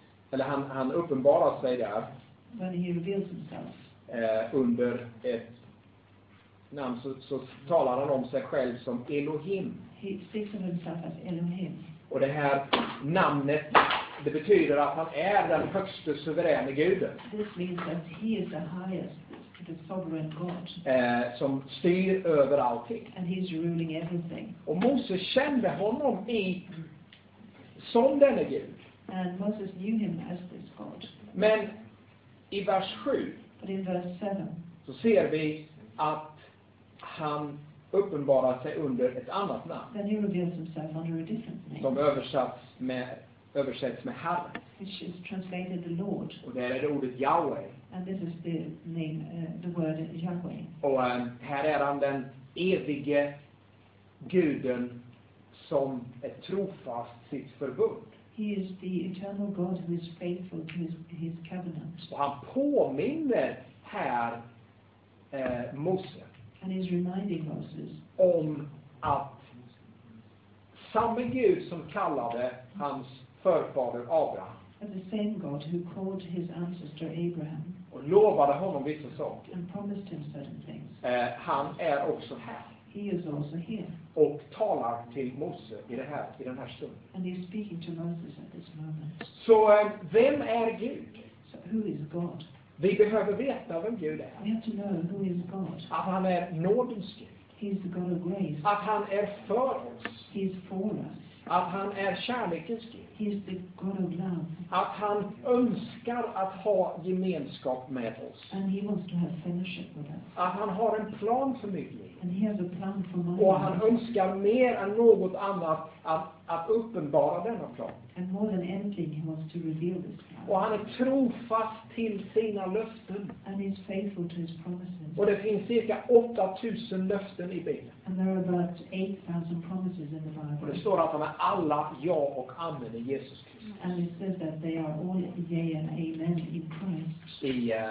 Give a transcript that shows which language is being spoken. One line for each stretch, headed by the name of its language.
Swedish: Eller han uppenbarar sig där.
English: When he reveals himself.
Swedish: Under ett namn så talar han om sig själv som Elohim.
English: He speaks of himself as Elohim.
Swedish: Och det här namnet, det betyder att han är den högste suveräna guden.
English: This means that he is the highest, the sovereign God.
Swedish: Som styr över allting.
English: And he's ruling everything.
Swedish: Och Mose kände honom i som denna gud.
English: And Moses knew him as this God.
Swedish: Men i vers 7.
English: But in verse 7.
Swedish: Så ser vi att han uppenbara sig under ett annat namn.
English: Then he reveals himself under a different name.
Swedish: Som översätts med Herre.
English: Which is translated the Lord.
Swedish: Och där är det ordet Yahweh.
English: And this is the name, the word Yahweh.
Swedish: Och här är han den evige guden som är trofast sitt förbund.
English: He is the eternal God who is faithful to his covenant.
Swedish: Och han påminner här Mose.
English: And he's reminding Moses
Swedish: om att samma Gud som kallade hans förfader Abraham.
English: And the same God who called his ancestor Abraham.
Swedish: Och lovade honom vissa saker.
English: And promised him certain things.
Swedish: Han är också här.
English: He is also here.
Swedish: Och talar till Mose i den här stunden.
English: And he's speaking to Moses at this moment.
Swedish: Så vem är Gud?
English: So who is God?
Swedish: Vi behöver veta vem Gud är.
English: We have to know who is God.
Swedish: Att han är nådens Gud.
English: He is the God of grace.
Swedish: Att han är för oss.
English: He is for us.
Swedish: Att han är kärlekens Gud.
English: He is the God of love.
Swedish: Att han önskar att ha gemenskap med oss.
English: And he wants to have fellowship with us.
Swedish: Att han har en plan för mitt liv.
English: And he has a plan for my life.
Swedish: Och han önskar mer än något annat att uppenbara denna plan.
English: And more than anything he wants to reveal this plan.
Swedish: Och han är trofast till sina löften.
English: And he's faithful to his promises.
Swedish: Och det finns cirka 8000 löften i Bibeln.
English: And there are about 8000 promises in the Bible.
Swedish: Och det står att de är alla ja och amen i Jesus Kristus.
English: And it says that they are all yea and amen in Christ.